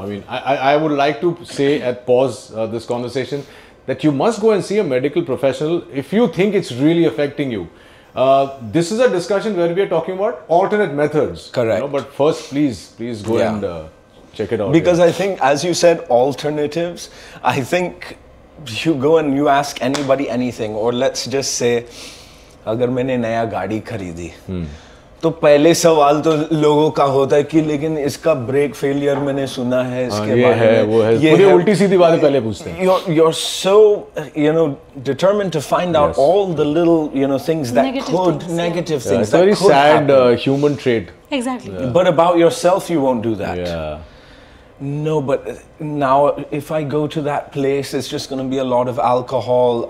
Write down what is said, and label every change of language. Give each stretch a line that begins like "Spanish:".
English: I mean, I would like to say at pause this conversation that you must go and see a medical professional if you think it's really affecting you. This is a discussion where we're talking about alternate methods. Correct. You know, but first, please go and check it out. Because I think, as you said, alternatives, I think you go and you ask anybody anything, or let's just say,
Hindi: अगर मैंने नया गाड़ी खरीदी तो पहले सवाल तो लोगों का होता है कि लेकिन इसका ब्रेक फेलियर मैंने सुना है इसके बारे में, है, वो है, ये पूरी उल्टी सीधी बातें पहले पूछते हैं।
English: You're so you know determined to find out all the little you know things that could negative things that could happen. Very sad human trait. Exactly. But about yourself, you won't do that. No, but now if I go to that place, it's just going to be a lot of alcohol.